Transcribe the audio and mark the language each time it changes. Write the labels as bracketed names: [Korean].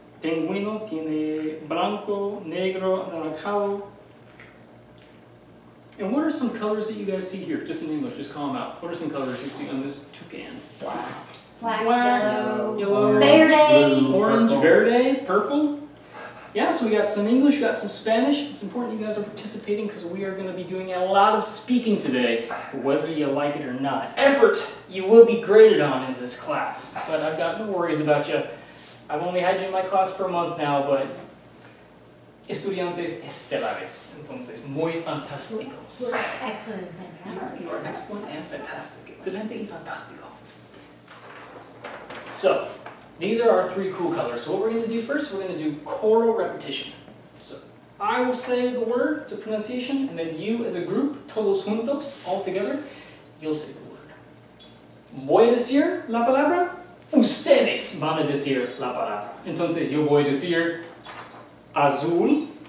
[Spanish] Pingüino tiene blanco, negro, anaranjado. [English] And what are some colors that you guys see here? Just in English, just call them out. What are some colors you see on this toucan? Black, yellow, orange, verde, purple. Yeah, so we got some English, we got some Spanish. It's important you guys are participating because we are going to be doing a lot of speaking today, whether you like it or not. Effort you will be graded on in this class, but I've got no worries about you. I've only had you in my class for a month now, but [Spanish] estudiantes estelares, entonces muy fantásticos. [English] You're excellent and fantastic. You are excellent and fantastic. [Spanish] Excelente y fantástico. [English] So, these are our three cool colors. So what we're going to do first, we're going to do choral repetition. So I will say the word, the pronunciation, and then you as a group, [Spanish] todos juntos, [English] all together, you'll say the word. [Spanish] Voy a decir la palabra. Ustedes van a decir la palabra. Entonces, yo voy a decir azul.